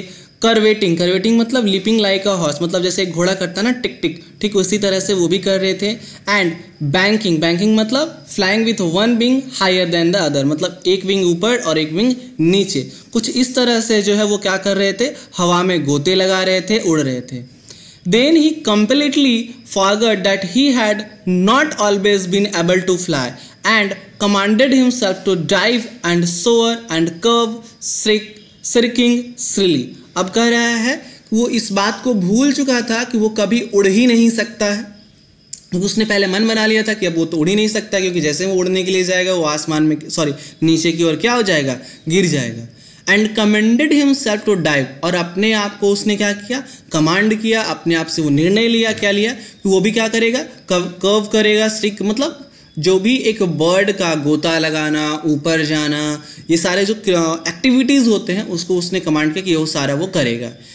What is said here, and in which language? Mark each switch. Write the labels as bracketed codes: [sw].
[hi] करवेटिंग, करवेटिंग मतलब [en] leaping like a horse, [hi] मतलब जैसे एक घोड़ा करता ना टिक टिक, ठीक उसी तरह से वो भी कर रहे थे. एंड बैंकिंग, बैंकिंग मतलब [en] flying with one wing higher than the other, [hi] मतलब एक विंग ऊपर और एक विंग नीचे, कुछ इस तरह से जो है वो क्या कर रहे थे, हवा में गोते लगा रहे थे, उड़ रहे थे. [en] Then he completely forgot that he had not always been able to fly and commanded himself to dive and soar and curve shrieking shrilly. [hi] अब कह रहा है कि वो इस बात को भूल चुका था कि वो कभी उड़ ही नहीं सकता है, क्योंकि उसने पहले मन बना लिया था कि अब वो तो उड़ ही नहीं सकता, क्योंकि जैसे वो उड़ने के लिए जाएगा वो आसमान में, सॉरी नीचे की ओर क्या हो जाएगा, गिर जाएगा. [en] And commanded himself to dive, [hi] और अपने आप को उसने क्या किया, कमांड किया, अपने आप से वो निर्णय लिया, क्या लिया कि वो भी क्या करेगा, कर्व करेगा, स्ट्रिक मतलब जो भी एक बर्ड का गोता लगाना, ऊपर जाना, ये सारे जो एक्टिविटीज होते हैं उसको उसने कमांड किया कि वो सारा वो करेगा.